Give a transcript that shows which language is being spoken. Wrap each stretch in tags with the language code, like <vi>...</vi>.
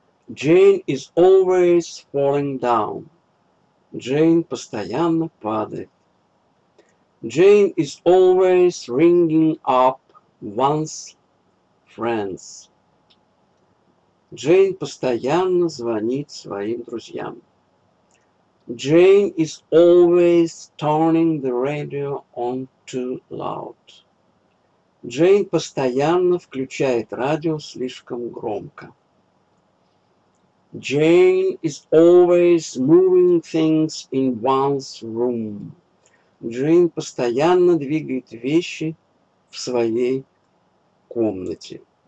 <en>Джейн is always falling down.</en> <ru>Джейн постоянно падает.</ru> <en>Джейн is always ringing up one's friends.</en> <ru>Джейн постоянно звонит своим друзьям.</ru> <en>Джейн is always turning the radio on too loud.</en> <ru>Джейн постоянно включает радио слишком громко.</ru> <en>Джейн is always moving things in one's room.</en> <ru>Джейн постоянно двигает вещи в своей комнате.</ru>